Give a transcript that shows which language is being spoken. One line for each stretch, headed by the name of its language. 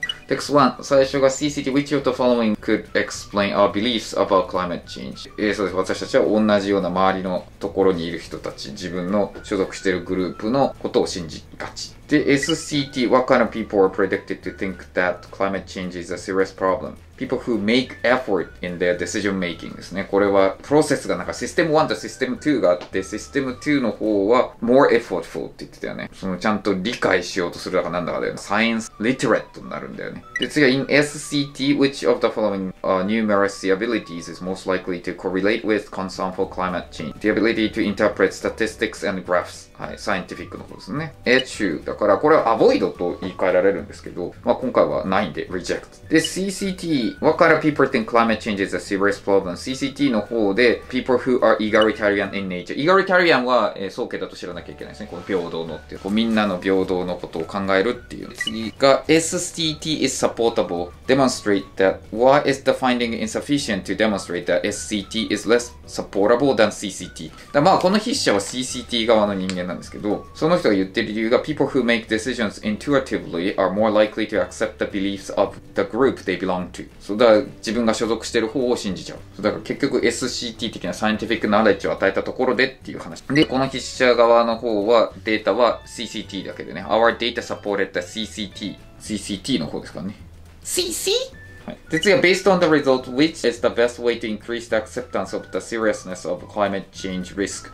English: Text 1、
Japanese: 最初が
English: CCT、 Which of the following could explain our beliefs about climate change?
Japanese: そうです。私たちは同じような周りのところにいる人たち、自分の所属しているグループのことを信じがち。
English: で、SCT、What kind of people are predicted to think that climate change is a serious problem? people who make effort in their decision making
Japanese: ですね。これはプロセスがなんかシステム1とシステム2があって、システム2の方は
English: more effortful
Japanese: って言ってたよね。そのちゃんと理解しようとするだかなんだかだよね。
English: science literate
Japanese: になるんだよね。
English: で次は in SCT, which of the following、numeracy abilities is most likely to correlate with concern for climate change? The ability to interpret statistics and graphs.
Japanese: はい、scientific の方ですね。 Etchew だからこれは avoid と言い換えられるんですけど、まあ今回はないんで reject。
English: で CCT What kind of people think climate change is a serious problem?
Japanese: CCT の方で
English: People who are egalitarian in nature Egalitarian
Japanese: は、総計だと知らなきゃいけないですね。この平等のっていう、こうみんなの平等のことを考えるっていう。
English: 次が SCT is supportable Demonstrate that Why is the finding insufficient to demonstrate that SCT is less supportable than CCT?
Japanese: だまあこの筆者は CCT 側の人間なんですけど、その人が言ってる理由が
English: People who make decisions intuitively are more likely to accept the beliefs of the group they belong
Japanese: そうだ、自分が所属してる方を信じちゃう。そうだから結局 SCT 的なサイエンティフィックナレッジを与えたところでっていう話。で、この筆者側の方はデータは CCT だけでね。
English: Our data supported the CCT。
Japanese: CCT の方ですかね。 CC?
English: で次は Based on the result, which is the best way to increase the acceptance of the seriousness of climate change risk?